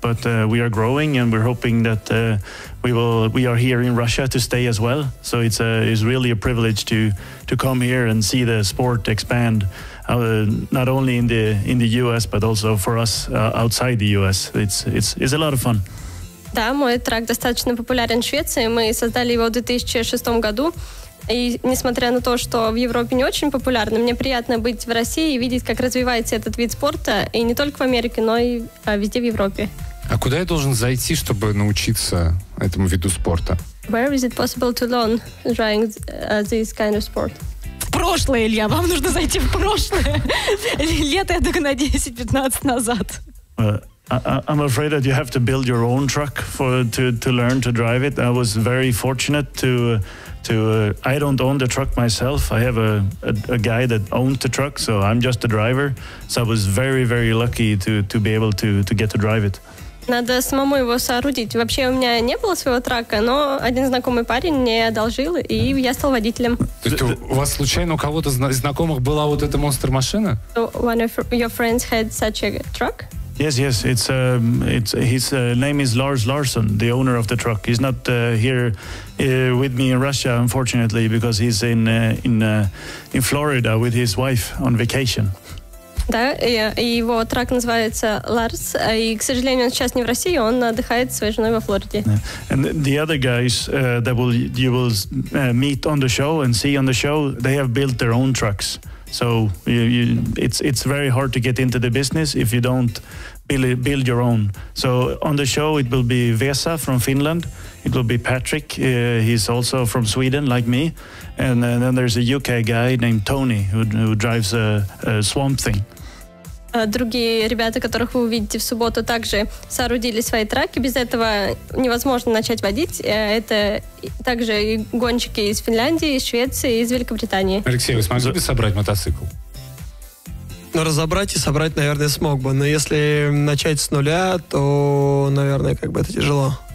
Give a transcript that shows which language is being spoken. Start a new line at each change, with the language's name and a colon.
English: But we are growing, and we're hoping that we are here in Russia to stay as well. So it's really a privilege to come here and see the sport expand. Not only in the US, but also for us outside the US. It's a lot of fun.
Russian: Да, мой трак достаточно популярен в Швеции. Мы создали его в 2006 году. И несмотря на то, что в Европе не очень популярно, мне приятно быть в России и видеть, как развивается этот вид спорта. И не только в Америке, но и везде в Европе. А куда я должен зайти, чтобы научиться этому виду спорта?
English: Where is it possible to learn driving this kind of sport?
Russian: Прошлое, Илья, вам нужно зайти в прошлое. Лето, я только на 10-15 назад.
English: I'm afraid that you have to build your own truck to learn to drive it. I was very fortunate I don't own the truck myself. I have a guy that owns the truck, so I'm just a driver. So I was very, very lucky to be able to get to drive it.
Russian: Надо самому его соорудить. Вообще у меня не было своего трака, но один знакомый парень мне одолжил, и я стал водителем. То есть у вас случайно у кого-то из знакомых была вот эта монстр-машина?
English: One of your friends had such a truck? Yes. His name is Lars Larsson, the owner of the truck. He's not here with me in Russia, unfortunately, because he's in Florida with his wife on vacation.
Russian: Да, и его трак называется Ларс, и, к сожалению, он сейчас не в России, он отдыхает со своей женой во Флориде.
English: Yeah. And the other guys that you will meet on the show and see on the show, they have built their own trucks. So it's very hard to get into the business if you don't build your own. So on the show it will be Vesa from Finland. It will be Patrick. He's also from Sweden, like me. And then there's a UK guy named Tony who drives a swamp thing.
Russian: Другие ребята, которых вы увидите в субботу, также соорудили свои траки. Без этого невозможно начать водить. Это также и гонщики из Финляндии, из Швеции, из Великобритании. Алексей, вы смогли бы собрать мотоцикл? Ну, разобрать и собрать, наверное, смог бы. Но если начать с нуля, то, наверное, как бы это тяжело.